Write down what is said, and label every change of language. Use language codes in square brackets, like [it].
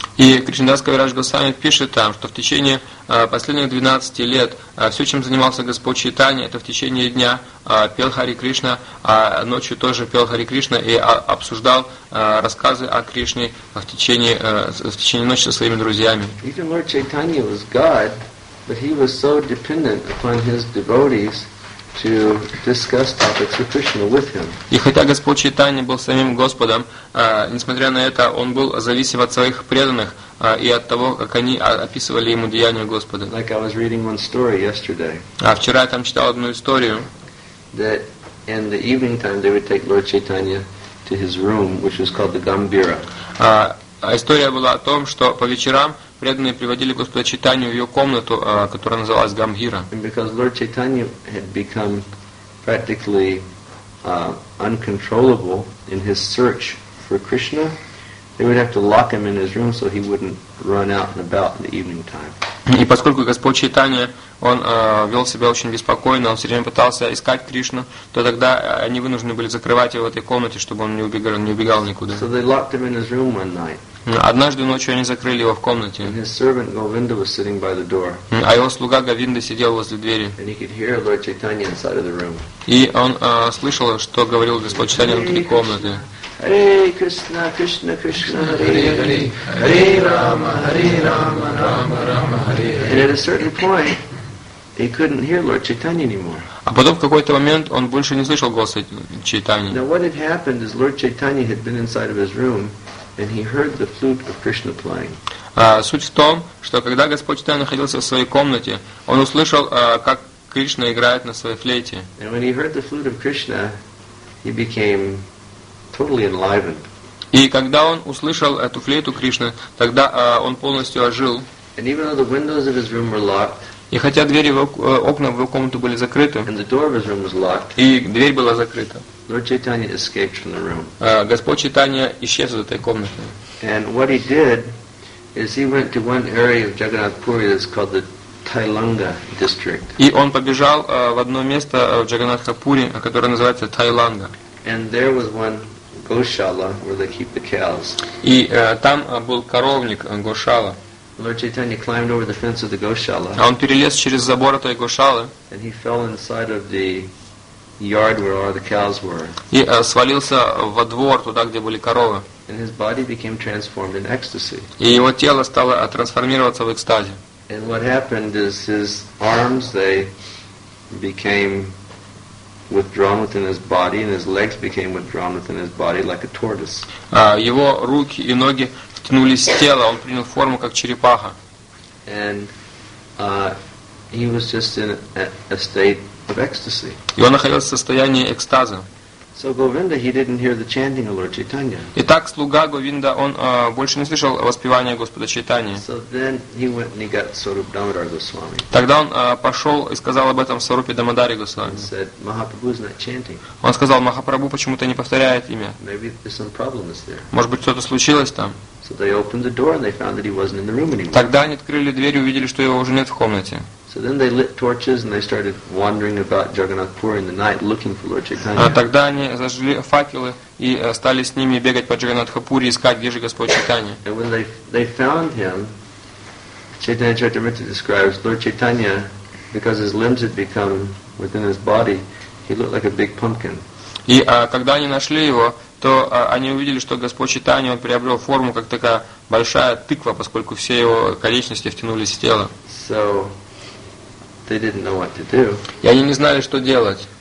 [ru] И Кришнадас Кавираж Госвами пишет там, что в течение последних 12 лет все, чем занимался Господь Чайтанья, это в течение дня пел Хари Кришна, а ночью тоже пел Хари Кришна и обсуждал рассказы о Кришне в течение ночи со своими друзьями. [en] Even Lord Chaitanya was God, but he was so dependent upon his devotees to discuss topics of Krishna with him. [ru] И хотя Господь Чайтанья был самим Господом, несмотря на это, он был зависим от своих преданных и от того, как они описывали ему деяния Господа. [en] Like I was reading one story yesterday. [ru] Вчера я там читал одну историю. [en] That in the evening time they would take Lord Chaitanya to his room, which was called the Gambira. [ru] История была о том, что по вечерам преданные приводили Господа Чайтанью в ее комнату, которая называлась Гамбира. [en] And because Lord Chaitanya had become practically uncontrollable in his search for Krishna, they would have to lock him in his room so he wouldn't run out and about in the evening time. [ru] И поскольку Господь Чайтанья, он вел себя очень беспокойно, он все время пытался искать Кришну, то тогда они вынуждены были закрывать его в этой комнате, чтобы он не убегал никуда. [en] So they locked him in his room one night. [ru] Однажды ночью они закрыли его в комнате. [en] And his servant Govinda was sitting by the door. [ru] А его слуга Говинда сидел возле двери. [en] And he could hear Lord Chaitanya inside of the room. [ru] И он слышал, что говорил Господь Чайтанья внутри комнаты. [sa] Hare Krishna, Krishna Krishna, Hare Hare, Hare Rama, Hare Rama, Rama Rama, Hare Hare. [en] And at a certain point, he couldn't hear Lord Chaitanya anymore. [ru] А потом в какой-то момент он больше не слышал голос Чайтаньи. [en] Now what had happened is Lord Chaitanya had been inside of his room, and he heard the flute of Krishna playing. [ru] Суть в том, что когда Господь Чайтанья находился в своей комнате, он услышал, как Кришна играет на своей флейте. [en] And when he heard the flute of Krishna, he became totally enlivened. [ru] И когда он услышал эту флейту Кришны, тогда он полностью ожил. [en] And even though the windows of his room were locked, [ru] и хотя двери в окна в его комнату были закрыты, [en] and the door of his room was locked, [ru] и дверь была закрыта, [en] Lord Chaitanya escaped from the room. [ru] Господь Чайтанья исчез из этой комнаты. [en] And what he did is he went to one area of Jagannath Puri that's called the Tailanga district. [ru] И он побежал в одно место в Джаганнатхапури, которое называется Тайланга. [en] And there was one Goshala where they keep the cows. [ru] И там был коровник Гошала. [en] Lord Chaitanya climbed over the fence of the Goshala. [ru] А он перелез через забор этой Гошалы. [en] And he fell inside of the yard where all the cows were. [ru] И свалился во двор туда, где были коровы. [en] And his body became transformed in ecstasy. [ru] И его тело стало трансформироваться в экстазе. [en] And what happened is his arms they became withdrawn within his body, and his legs became withdrawn within his body like a tortoise. [ru] Его руки и ноги втянулись в тело, он принял форму как черепаха. [en] And he was just in a state of ecstasy. [ru] И он находился в состоянии экстаза. [en] So Govinda, he didn't hear the chanting of Lord Chaitanya. [ru] Итак, слуга Говинда, он больше не слышал воспевания Господа Чайтаньи. [en] So then he went and he got Swarup Damodara Goswami. [ru] Тогда он пошел и сказал об этом Сварупе Дамодаре Госвами. [en] He said, Mahaprabhu is not chanting. [ru] Он сказал, Махапрабху почему-то не повторяет имя. [en] Maybe there's some problem there. [ru] Может быть, что-то случилось там. [en] So they opened the door and they found that he wasn't in the room anymore. [ru] Тогда они открыли дверь и увидели, что его уже нет в комнате. [en] So then they lit torches and they started wandering about Jagannath Puri in the night looking for Lord Chaitanya. [ru] Тогда они зажгли факелы и стали с ними бегать по Джаганатхапури и искать, где же Господь Чайтанья. [en] And when they found him, Chaitanya Charitamrita describes Lord Chaitanya, because his limbs had become within his body, he looked like a big pumpkin. [ru] И когда они нашли его, то они увидели, что Господь Чайтанья приобрел форму как такая большая тыква, поскольку все его конечности втянулись в тело. [en] So they didn't know what to do. [ru] И они не знали, что делать.